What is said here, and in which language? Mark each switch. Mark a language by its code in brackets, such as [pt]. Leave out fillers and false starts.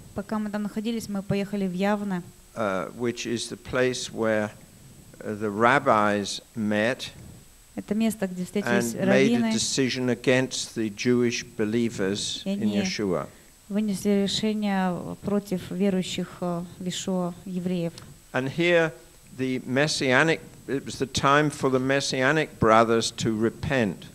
[ru] Пока мы там находились, мы поехали в Явне. [en] Which is the place where the rabbis met. [ru] Это место, где встретились [en] and [ru] раввины. [en] Made a decision against the Jewish believers in Yeshua. [ru] Вынесли решение против верующих в Иешуа евреев. [en] And here the messianic it was the time for the messianic brothers to repent.